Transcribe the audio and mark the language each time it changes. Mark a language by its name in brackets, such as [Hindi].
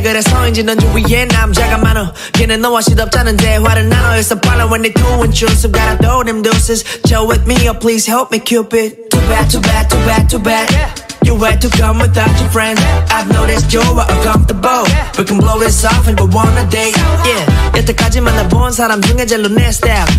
[Korean] 그래서인지 넌 주위에 남자가 많아. 걔는 너와 시덥잖은 대화를 나눠. [English] It's a problem when they're too intrusive. Gotta throw them deuces. Chill with me, oh please help me, Cupid. Too bad, too bad, too bad, too bad. You had to come without your friends. I've noticed you are uncomfortable. We can blow this off and go on a date. [Korean] Yeah, 여태까지 만나본 사람 중에 제일로 내 스타일.